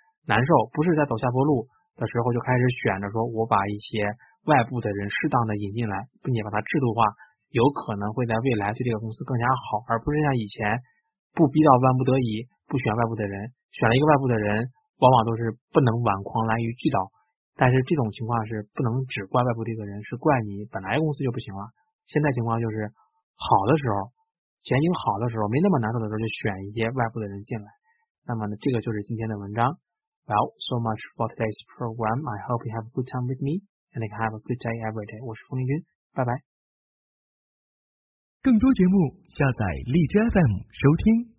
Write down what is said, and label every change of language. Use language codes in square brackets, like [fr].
[zh] 难受，不是在走下坡路的时候，就开始选着说我把一些外部的人适当的引进来并且把它制度化，有可能会在未来对这个公司更加好，而不是像以前不逼到万不得已不选外部的人，选了一个外部的人往往都是不能挽狂澜于既倒，但是这种情况是不能只怪外部这个人，是怪你本来公司就不行了。现在情况就是好的时候前景好的时候没那么难受的时候就选一些外部的人进来，那么呢这个就是今天的文章。 [en] Well, so much for today's program. I hope you have a good time with me and you can have a good day every day. [zh] 我是冯立军，拜拜。更多节目下载荔枝 FM 收听。